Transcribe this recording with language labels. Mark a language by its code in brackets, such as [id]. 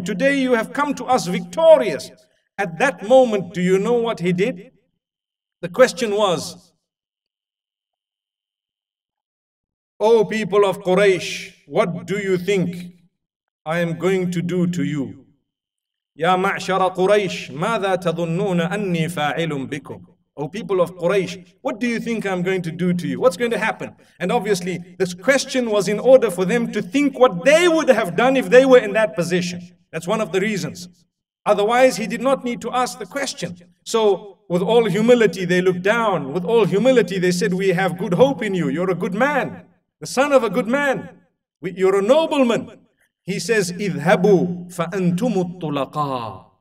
[en] Today you have come to us victorious. At that moment, do you know what he did? The question was, O people of Quraysh, what do you think I am going to do to you? [ar] Ya ma'shara Quraysh, ماذا تظنون أني فاعل بكم? [en] O people of Quraysh, what do you think I'm going to do to you? What's going to happen? And obviously, this question was in order for them to think what they would have done if they were in that position. That's one of the reasons. Otherwise, he did not need to ask the question. So, with all humility, they looked down. With all humility, they said, we have good hope in you. You're a good man. The son of a good man. You're a nobleman. He says, [ar] اذهبوا فأنتم الطلقاء.